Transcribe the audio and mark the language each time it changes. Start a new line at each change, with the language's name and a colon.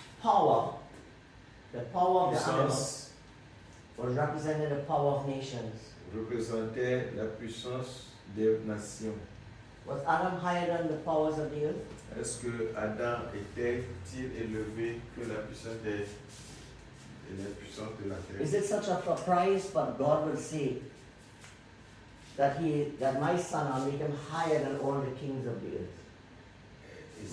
English: power, the power of the animals, was represented the power of nations.
French: Représentait la puissance des nations.
English: Was Adam higher than the powers of the earth?
French: Est-ce que Adam était-il élevé que la puissance des puissance de la terre?
English: Is it such a surprise, but God will say that he that my son I'll make him higher than all the kings of the earth.